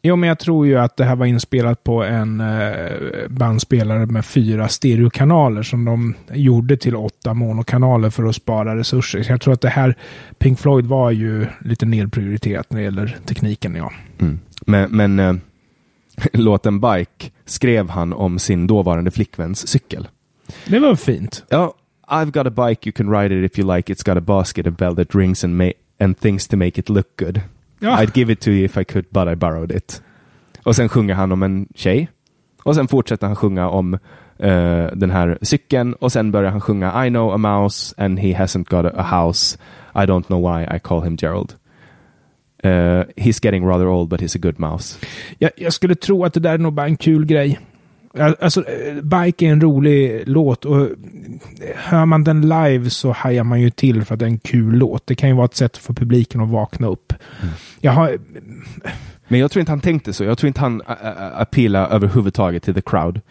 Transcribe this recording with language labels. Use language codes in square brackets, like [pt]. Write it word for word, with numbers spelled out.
[sv] Jo, men jag tror ju att det här var inspelat på en eh, bandspelare med fyra stereokanaler som de gjorde till åtta monokanaler för att spara resurser. Så jag tror att det här, Pink Floyd var ju lite nedprioriterat när det gäller tekniken, ja. Mm. Men, men eh, låten Bike skrev han om sin dåvarande flickväns cykel. Det var fint. [en] Ja. I've got a bike, you can ride it if you like. It's got a basket, a bell that rings and ma- and things to make it look good. Ja. I'd give it to you if I could, but I borrowed it. [sv] Och sen sjunger han om en tjej. Och sen fortsätter han sjunga om uh, den här cykeln. Och sen börjar han sjunga [en] I know a mouse and he hasn't got a house. I don't know why I call him Gerald. Uh, he's getting rather old but he's a good mouse. [sv] Jag, jag skulle tro att det där är nog bara en kul grej. Alltså, Bike är en rolig låt och hör man den live så hajar man ju till för att det är en kul låt. Det kan ju vara ett sätt för publiken att vakna upp. Mm. Jag har... Men jag tror inte han tänkte så. Jag tror inte han appellade överhuvudtaget till the crowd.